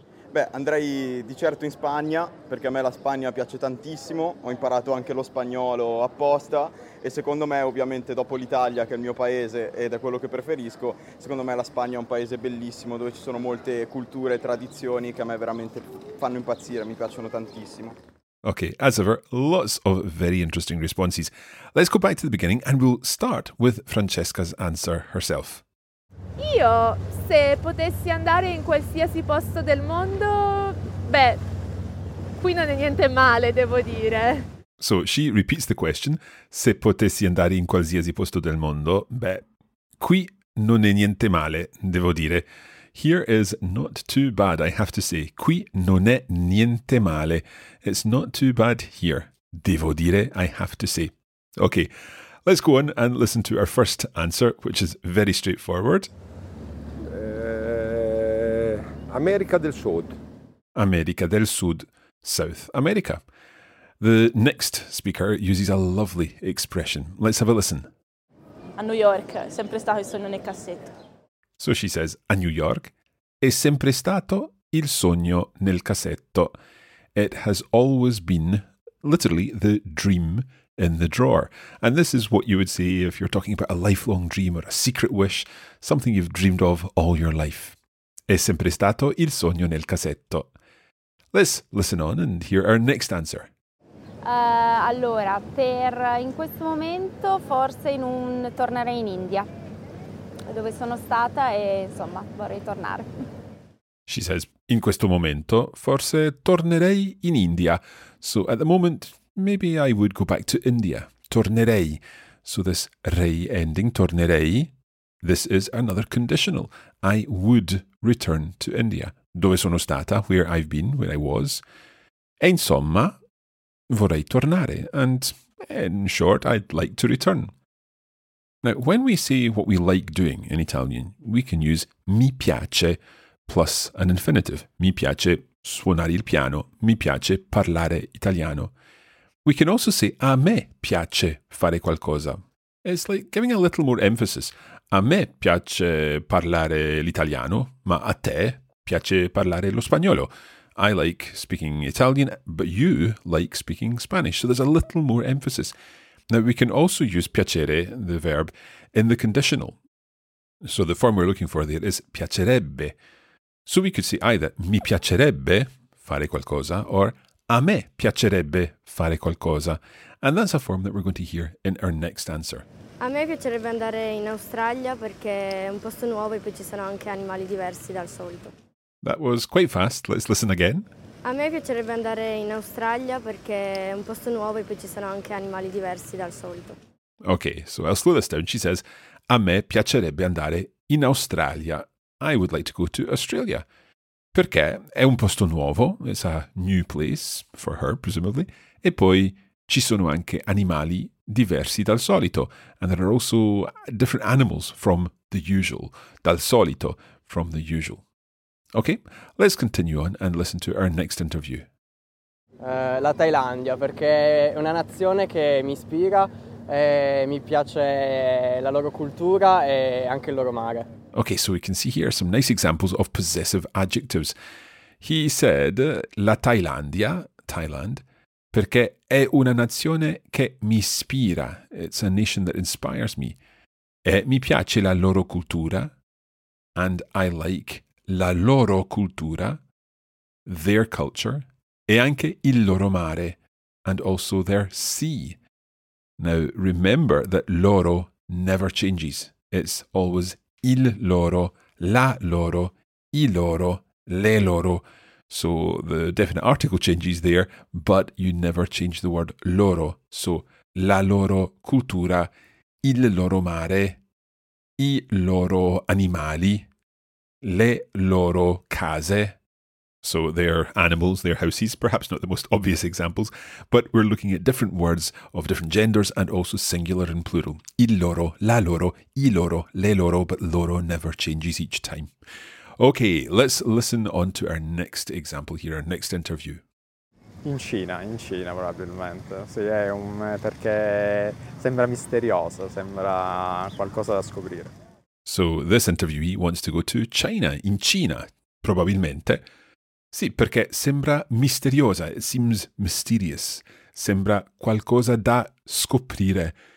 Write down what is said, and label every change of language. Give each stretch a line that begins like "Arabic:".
Italian: Beh, andrei di certo in Spagna, perché a me la Spagna piace tantissimo, ho imparato anche lo spagnolo apposta e secondo me, ovviamente dopo l'Italia, che è il mio paese ed è quello che preferisco, secondo me la Spagna è un paese bellissimo, dove ci sono molte culture e tradizioni che a me veramente fanno impazzire, mi piacciono tantissimo.
English: Okay, as ever, lots of very interesting responses. Let's go back to the beginning and we'll start with Francesca's answer herself.
Italian: Io, se potessi andare in qualsiasi posto del mondo, beh, qui non è niente male, devo dire.
English: So, she repeats the question.
Italian: Se potessi andare in qualsiasi posto del mondo, beh, qui non è niente male, devo dire.
English: Here is not too bad, I have to say.
Italian: Qui non è niente male.
English: It's not too bad here.
Italian: Devo dire,
English: I have to say. Okay, let's go on and listen to our first answer, which is very straightforward.
Italian: America del Sud. America del Sud.
English: South America. The next speaker uses a lovely expression. Let's have a listen.
Italian: A New York. Sempre stato il sogno nel cassetto.
English: So she says,
Italian: a New York. È sempre stato il sogno nel cassetto.
English: It has always been, literally, the dream in the drawer. And this is what you would say if you're talking about a lifelong dream or a secret wish, something you've dreamed of all your life.
Italian: È sempre stato il sogno nel cassetto.
English: Let's listen on and hear our next answer.
Italian: Allora, per in questo momento forse in un tornare in India, dove sono stata e insomma vorrei tornare.
English: She says,
Italian: in questo momento forse tornerei in India.
English: So at the moment, maybe I would go back to India. Tornerei. So this rei ending, tornerei. This is another conditional. I would return to India.
Italian: Dove sono stata,
English: where I've been, where I was.
Italian: E insomma, vorrei tornare.
English: And in short, I'd like to return. Now, when we say what we like doing in Italian, we can use mi piace plus an infinitive.
Italian: Mi piace suonare il piano. Mi piace parlare italiano.
English: We can also say
Italian: a me piace fare qualcosa.
English: It's like giving a little more emphasis.
Italian: A me piace parlare l'italiano, ma a te piace parlare lo spagnolo.
English: I like speaking Italian, but you like speaking Spanish. So there's a little more emphasis. Now, we can also use piacere, the verb, in the conditional. So the form we're looking for there is piacerebbe. So we could say either
Italian: mi piacerebbe fare qualcosa
English: or
Italian: A me piacerebbe fare qualcosa.
English: And that's a form that we're going to hear in our next answer.
Italian: A me piacerebbe andare in Australia perché è un posto nuovo e poi ci sono anche animali diversi dal solito.
English: That was quite fast. Let's listen again.
Italian: A me piacerebbe andare in Australia perché è un posto nuovo e poi ci sono anche animali diversi dal solito.
English: Okay, so I'll slow this down. She says,
Italian: a me piacerebbe andare in Australia.
English: I would like to go to Australia.
Italian: Perché è un posto nuovo,
English: it's a new place for her, presumably.
Italian: E poi ci sono anche animali diversi dal solito.
English: And there are also different animals from the usual,
Italian: dal solito,
English: from the usual. Okay, let's continue on and listen to our next interview.
Italian: La Thailandia, perché è una nazione che mi ispira, e mi piace la loro cultura e anche il loro mare.
English: Okay, so we can see here some nice examples of possessive adjectives. He said,
Italian: la Thailandia, Thailand, perché è una nazione che mi ispira.
English: It's a nation that inspires me.
Italian: E mi piace la loro cultura.
English: And I like
Italian: la loro cultura,
English: their culture,
Italian: e anche il loro mare,
English: and also their sea. Now, remember that loro never changes. It's always
Italian: il loro, la loro, I loro, le loro.
English: So the definite article changes there, but you never change the word loro. So
Italian: la loro cultura, il loro mare, I loro animali, le loro case.
English: So their animals, their houses, perhaps not the most obvious examples, but we're looking at different words of different genders and also singular and plural.
Italian: Il loro, la loro, I loro, le loro,
English: but loro never changes each time. Okay, let's listen on to our next example here, our next interview.
Italian: In Cina probabilmente. Sì, è un perché sembra misterioso, sembra qualcosa da scoprire.
English: So this interviewee wants to go to China,
Italian: in Cina, probabilmente. Sì, perché sembra misteriosa,
English: it seems mysterious,
Italian: sembra qualcosa da scoprire.